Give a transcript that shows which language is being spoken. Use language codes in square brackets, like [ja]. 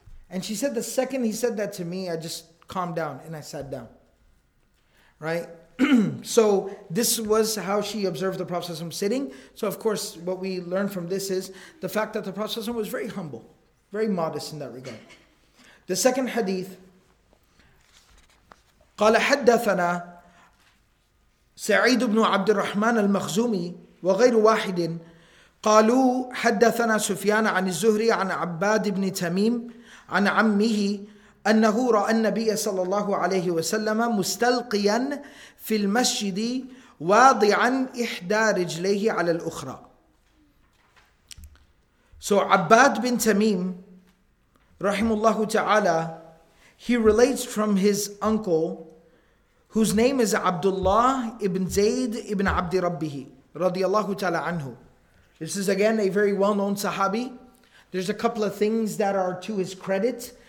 [en] And she said, the second he said that to me, I just calmed down and I sat down. Right? So this was how she observed the Prophet ﷺ sitting. So of course, what we learn from this is the fact that the Prophet ﷺ was very humble, very modest in that regard. The second hadith, [ar] قَالَ حَدَّثَنَا سَعِيدُ بْنُ عَبْدِ الرَّحْمَنَ الْمَخْزُومِ وَغَيْرُ وَاحِدٍ قالوا حدثنا سفيان عن الزهري عن عباد بن تميم عن عمه أنه رأى النبي صلى الله عليه وسلم مستلقيا في المسجد واضعا إحدى رجليه على الأخرى. [en] So عباد بن تميم [ar] رحم الله تعالى, [en] he relates from his uncle whose name is Abdullah ibn Zayd ibn عبد ربه [ar] رضي الله تعالى عنه. [en] This is again a very well-known sahabi. There's a couple of things that are to his credit.